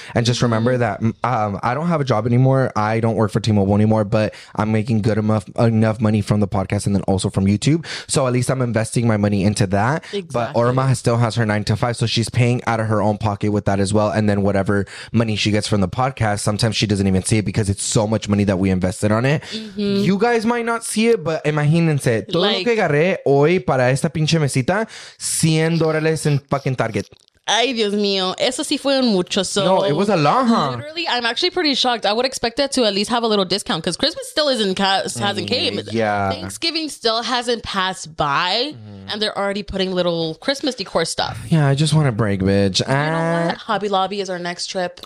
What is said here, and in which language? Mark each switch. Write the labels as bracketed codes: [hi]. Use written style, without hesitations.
[en] And just remember that I don't have a job anymore. I don't work for T-Mobile anymore, but I'm making good enough money from the podcast and then also from YouTube. So at least I'm investing my money into that. Exactly. But Irma still has her 9-to-5. So she's paying out of her own pocket with that as well. And then whatever money she gets from the podcast, sometimes she doesn't even see it because it's so much money that we invested on it. Mm-hmm. You guys might not see it, but [es] imagínense. Que agarré hoy para esta pinche mesita $100 en fucking Target. Ay, Dios mío. Eso sí fue un mucho. [en] So no, it was a lot, huh? Literally, I'm actually pretty shocked. I would expect it to at least have a little discount because Christmas still hasn't came. Yeah. Thanksgiving still hasn't passed by and they're already putting little Christmas decor stuff. Yeah, I just want a break, bitch. You know what? Hobby Lobby is our next trip.